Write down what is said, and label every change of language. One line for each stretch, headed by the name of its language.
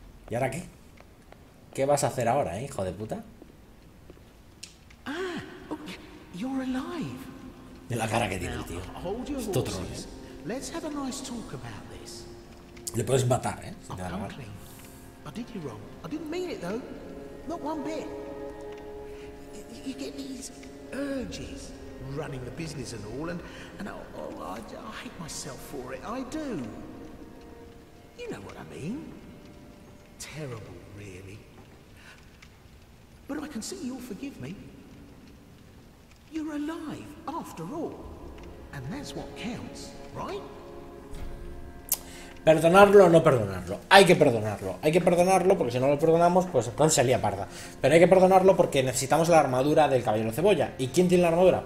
Spanish: ¿Y ahora qué? ¿Qué vas a hacer ahora, hijo de puta?
English: Ah, you're alive.
Spanish: De la cara que tiene el tío. Esto otro es.
English: Let's have a nice talk about this.
Spanish: Le puedes matar, ¿eh? Si te da la
English: I did you wrong. I didn't mean it though. Not one bit. You get these urges running the business and all, and I hate myself for it. I do. You know what I mean? Terrible, really. But I can see you'll forgive me. You're alive, after all. And that's what counts, right?
Spanish: Perdonarlo o no perdonarlo. Hay que perdonarlo. Hay que perdonarlo porque si no lo perdonamos, pues entonces se lía parda. Pero hay que perdonarlo porque necesitamos la armadura del caballero cebolla. ¿Y quién tiene la armadura?